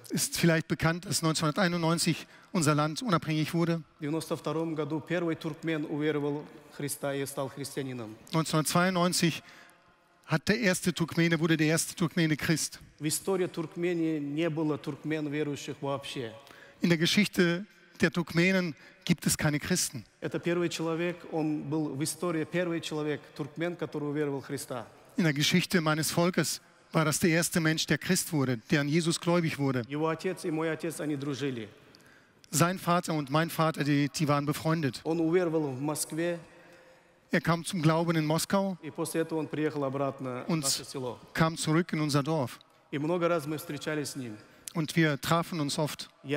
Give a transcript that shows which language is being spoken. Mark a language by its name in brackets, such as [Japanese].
[German] Ist vielleicht bekannt, dass 1991 unser Land unabhängig wurde. 1992 hat der erste Turkmene, wurde der erste Turkmene Christ. [Russian] В истории Туркмении не было туркмен верующих вообще. [German] In der Geschichte der Turkmenen gibt es keine Christen. [Russian] Это первый человек, он был в истории первый человек туркмен, который уверовал в Христа. [German] In der Geschichte meines Volkes war das der erste Mensch, der Christ wurde, der an Jesus gläubig wurde. [Russian] Его отец и мой отец они дружили. [German] Sein Vater und mein Vater, die waren befreundet. [Russian] Он уверовал в Москве. [German] Er kam zum Glauben in Moskau und kam zurück in unser Dorf. Und wir trafen uns oft.